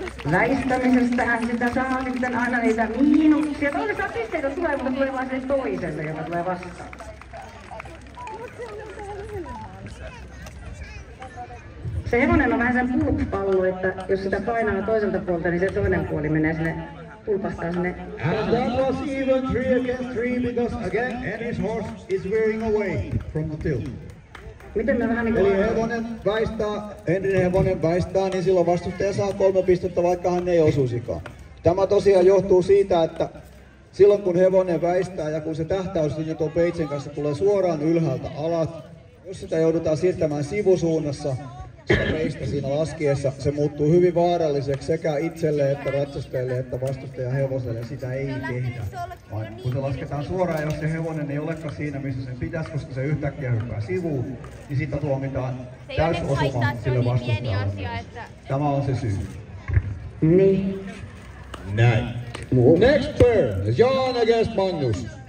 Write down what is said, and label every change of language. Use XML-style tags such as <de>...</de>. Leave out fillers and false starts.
<fi>Väistämisestähän sitä saa sitten aina niitä miinuksia. Toisaalta pisteitä tulee, mutta tulee vain sen toiselle, joka tulee vastaan. Se hevonen on vähän sen pulppallo, että jos sitä painaa toiselta puolta, niin se toinen puoli menee sinne.</fi> <en>And that was even 3 against 3 because again Henry's horse is veering away from the tilt.</en> <fi>Miten me vähän niin kuin... Eli hevonen vaistaa, Henry hevonen vaistaa, niin silloin vastustaja saa 3 pistettä, vaikka hän ei osuisikaan. Tämä tosiaan johtuu siitä, että silloin kun hevonen väistää ja kun se tähtäys sinne tuon peitsen kanssa tulee suoraan ylhäältä alat, jos sitä joudutaan siirtämään sivusuunnassa, sitä peistä siinä laskiessa, se muuttuu hyvin vaaralliseksi sekä itselle että ratsastajalle että vastustajan hevoselle. Sitä ei tehdä. Vaan kun se lasketaan suoraan, jos se hevonen ei olekaan siinä, missä sen pitäisi, koska se yhtäkkiä hyppää sivuun, niin siitä tuomitaan täysosuma sille vastustajalle. Tämä on se syy. Niin. Näin.</fi> <en>Next pair, John against Magnus.</en>